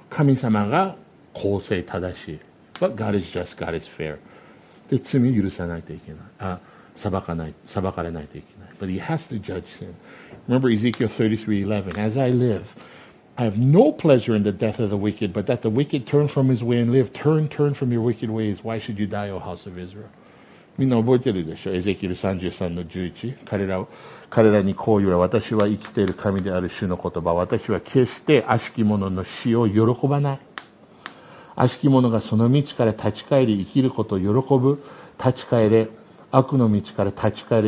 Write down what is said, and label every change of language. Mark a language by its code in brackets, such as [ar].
[ja] 心を痛めたはずなの神様の。もう懲らしめとか叱りって嬉しくないでしょ。でも神様が公正正しい。 [en] But God is just, God is fair. [ja] で罪を許さないといけない。裁かれないといけない。 [en] But he has to judge sin. Remember Ezekiel 33:11. As I live, I have no pleasure in the death of the wicked, but that the wicked turn from his way and live. Turn from your wicked ways. Why should you die, O house of Israel? [ja] みんな覚えてるでしょ?エゼキエル33:11. 彼らに、こう言う私は生きている神である主の言葉、私は決して悪しき者の死を喜ばない。悪しき者がその道から立ち返り生きることを喜ぶ。立ち返れ、悪の道から立ち返れ。